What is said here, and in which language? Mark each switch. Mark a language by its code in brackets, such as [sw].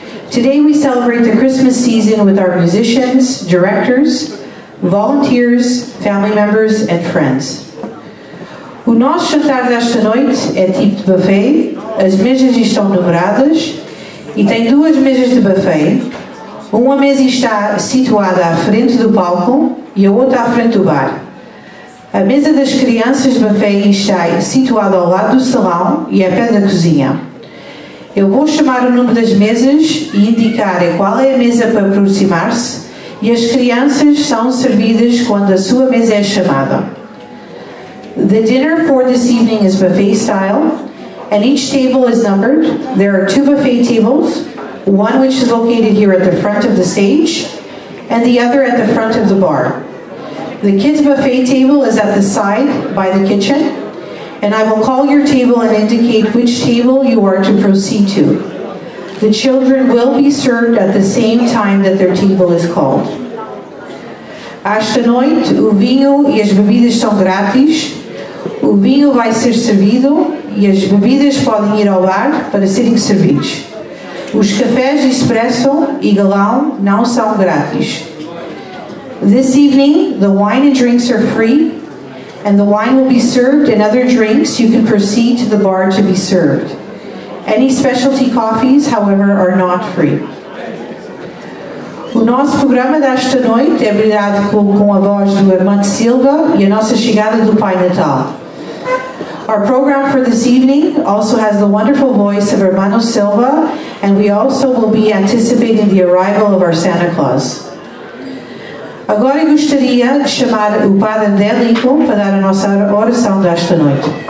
[en] Today we celebrate the Christmas season with our musicians, directors, volunteers, family members, and friends. [pt] O nosso jantar desta noite é tipo de buffet. As mesas estão numeradas e tem duas mesas de buffet. Uma mesa está situada à frente do palco e a outra à frente do bar. A mesa das crianças de buffet está situada ao lado do salão e é perto da cozinha. Eu vou chamar o número das mesas e indicar qual é a mesa para aproximar-se e as crianças são servidas quando a sua mesa é chamada. [en] The dinner for this evening is buffet style, and each table is numbered. There are two buffet tables, one which is located here at the front of the stage, and the other at the front of the bar. The kids' buffet table is at the side by the kitchen, and I will call your table and indicate which table you are to proceed to. The children will be served at the same time that their table is called. [pt] Esta noite, o vinho e as bebidas são grátis. O vinho vai ser servido e as bebidas podem ir ao bar para serem servidos. Os cafés expresso e galão não são grátis. [en] This evening, the wine and drinks are free, and the wine will be served and other drinks you can proceed to the bar to be served. Any specialty coffees, however, are not free. [pt] O nosso programa desta noite é brindado com a voz do Armando Silva e a nossa chegada do Pai Natal. [en] Our program for this evening also has the wonderful voice of Hermano Silva, and we also will be anticipating the arrival of our Santa Claus. [pt] Agora gostaria de chamar o Padre André Lincoln para dar a nossa oração desta noite.